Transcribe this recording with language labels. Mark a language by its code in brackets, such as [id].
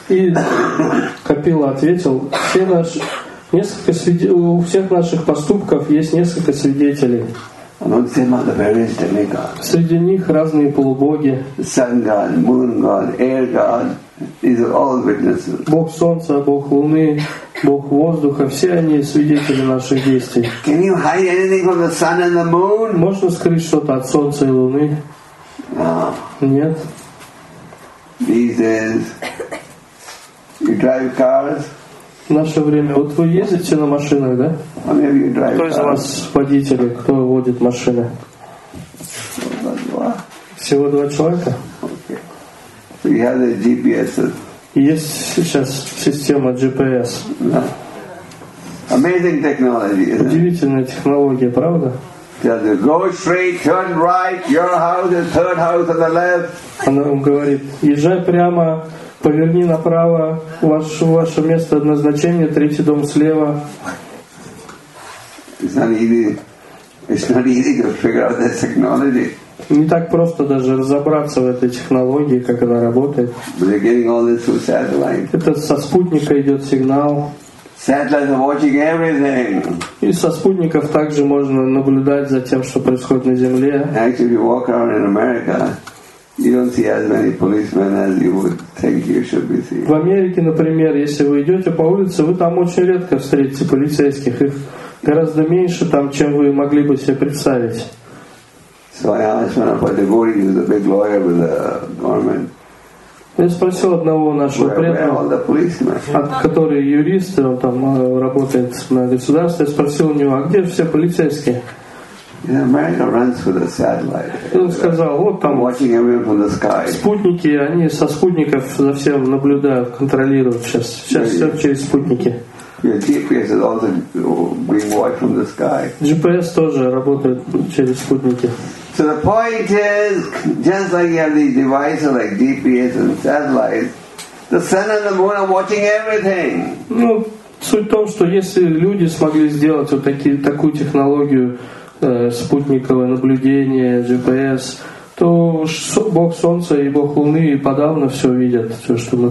[ru] И Капила ответил: «Все наши, несколько у всех наших поступков есть несколько свидетелей. [en] Among them are the various demigods. [ru] Среди них разные полубоги. [en] Sun god, moon god, air god, these are all witnesses. [ru] Бог солнца, Бог луны, Бог воздуха, все они свидетели наших действий. [en] Can you hide anything from the sun and the moon? [ru] Можно скрыть что-то от солнца и луны? [en] No. [ru] Нет. [en] These days, you drive cars. [ru] В наше время. Вот вы ездите на машинах, да? Кто из вас водители? Кто водит машины? Всего два человека? [en] Okay. We have the GPS. [ru] Есть сейчас система GPS. [en] Yeah. Amazing technology, isn't it? [ru] Удивительная технология, правда? [en] Go straight, turn right, your house is third house on the left. [ru] Она вам говорит: езжай прямо, поверни направо, ваше место назначения, третий дом слева. [en] It's not easy to figure out that technology. [ru] Не так просто даже разобраться в этой технологии, как она работает. [en] But you're getting all this through satellite. [ru] Это со спутника идет сигнал. [en] Satellites are watching everything. [ru] И со спутников также можно наблюдать за тем, что происходит на Земле. [en] Actually, if you walk around in America, you don't see as many policemen as you would think you should be seeing. [ru] В Америке, например, если вы идете по улице, вы там очень редко встретите полицейских. Их гораздо меньше там, чем вы могли бы себе представить. [en] So I asked one of my devotees, who's a big lawyer with the government. [ru] Я спросил одного нашего преданного, который юрист, он там работает на государстве. Я спросил у него: а где все полицейские? [en] America runs with a satellite. [ru] Он сказал: вот там [en] watching everyone from the sky. [ru] Спутники, они со спутников за всем наблюдают, контролируют сейчас. Сейчас все через спутники. [en] GPS is also being watched from the sky. [ru] GPS тоже работает через спутники. [en] So the point is, just like you have these devices like GPS and satellites, the sun and the moon are watching everything. [ru] Ну, суть в том, что если люди смогли сделать вот такую технологию спутниковое наблюдение, GPS, то Бог Солнца и Бог Луны и подавно все видят, все, что мы